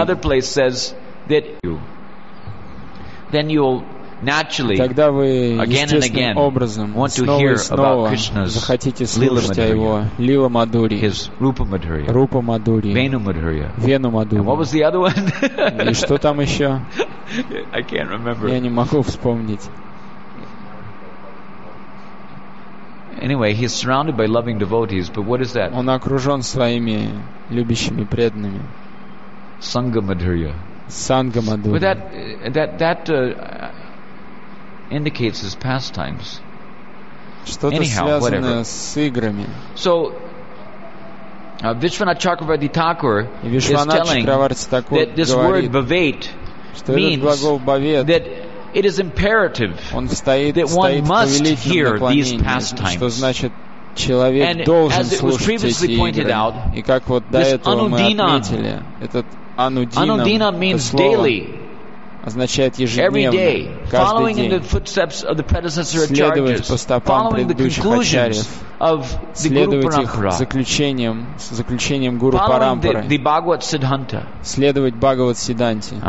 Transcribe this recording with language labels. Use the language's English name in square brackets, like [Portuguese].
[English] Another place says that you, then you'll naturally, [Russian] тогда вы естественным образом снова и снова захотите слушать о его Лила Мадхурье, Рупа Мадхурье, Рупа Мадхурье, Вену Мадхурье, Вену Мадхурье. [English] What was the other one? [Russian] И что там еще? [English] I can't remember. [Russian] Я не могу вспомнить. [English] Anyway, he's surrounded by loving devotees, but what is that? [Russian] Он окружен своими любящими преданными. Санга Мадхурье. Санга Мадхурье. [English] But that indicates his pastimes. [Russian] Что-то связано с играми. [English] So, Vishwanath Chakravarti Thakur is telling that this word bhavet means that it is imperative that one must hear these pastimes. [Russian] Что значит человек должен слушать эти игры. И как вот до этого мы отметили, этот анудинам, это слово, означает ежедневно, каждый день, следовать по стопам предыдущих ачарьев, следовать их заключениям, заключениям Гуру Парампары, следовать Бхагават Сиддханте.